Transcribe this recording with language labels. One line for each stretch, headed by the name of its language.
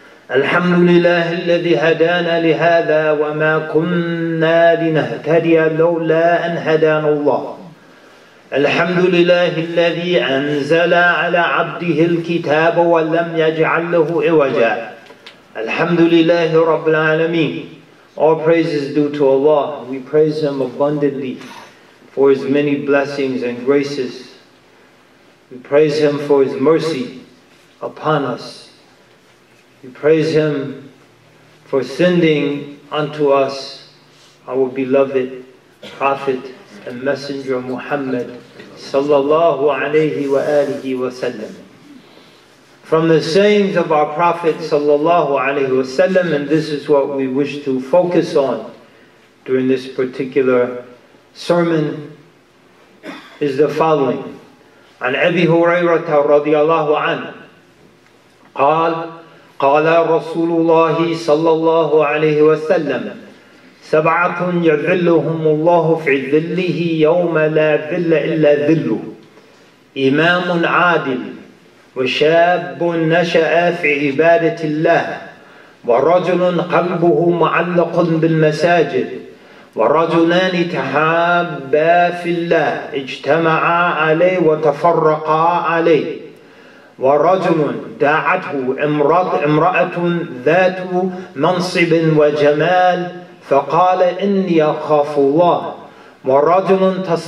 Arabic: الحمد لله الذي هدانا لهذا وما كنا لنهتدي لولا أن هدانا الله الحمد لله الذي أنزل على عبده الكتاب ولم يجعل له عوجا الحمد لله رب العالمين
English: All praises due to Allah. We praise Him abundantly for His many blessings and graces. We praise Him for His mercy upon us. We praise Him for sending unto us our beloved Prophet and Messenger Muhammad sallallahu alayhi wa alihi wa sallam. From the sayings of our Prophet sallallahu alayhi wa sallam, and this is what we wish to focus on during this particular sermon, is the following.
Arabic: An Abi Hurairah radiallahu anhu, قال رسول الله صلى الله عليه وسلم سبعة يذلهم الله في ذله يوم لا ذل إلا ذله إمام عادل وشاب نشأ في عبادة الله ورجل قلبه معلق بالمساجد ورجلان تحابا في الله اجتمعا عليه وتفرقا عليه ورجل دعته امرأة ذات منصب وجمال فقال إني أخاف الله ورجل